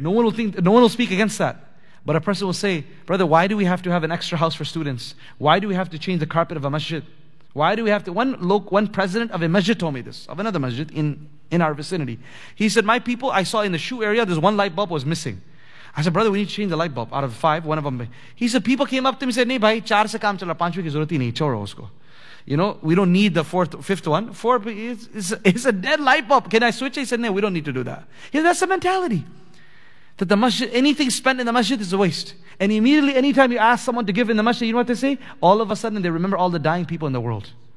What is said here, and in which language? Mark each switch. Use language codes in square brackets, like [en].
[en] No one will speak against that. But a person will say, brother, why do we have to have an extra house for students? Why do we have to change the carpet of a masjid? Why do we have to, one president of a masjid told me this, of another masjid in our vicinity. He said, my people, I saw in the shoe area, there's one light bulb was missing. I said, brother, we need to change the light bulb out of five, one of them. He said, people came up to me and said, [ur] نی بھائی، چار سے کام چلا، پانچویں کی ضرورت ہی نہیں، چھوڑو اس کو. [en] You know, we don't need the fifth one. Four is a dead light bulb. Can I switch it? He said, nee, we don't need to do that. He said, that's the mentality. That the masjid, anything spent in the masjid is a waste. And immediately, anytime you ask someone to give in the masjid, you know what they say? All of a sudden, they remember all the dying people in the world.